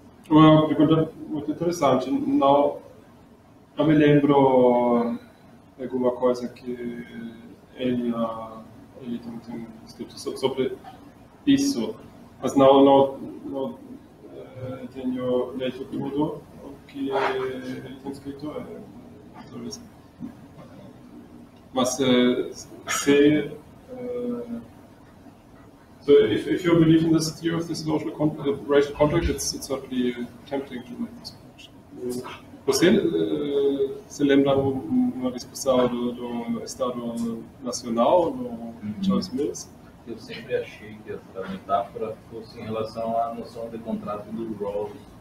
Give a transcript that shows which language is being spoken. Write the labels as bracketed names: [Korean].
[Portuguese] Uma pergunta muito interessante. Não me lembro alguma coisa que ele ele tem escrito sobre isso, mas não tenho lido tudo o que ele tem escrito sobre isso. Mas [English] if you believe in this theory of this social racial contract, it's certainly tempting to make this question. [Portuguese] Você se lembra de uma discussão do Estado Nacional, do Charles Mills? Eu sempre achei que essa metáfora fosse em relação à noção de contrato do Rawls.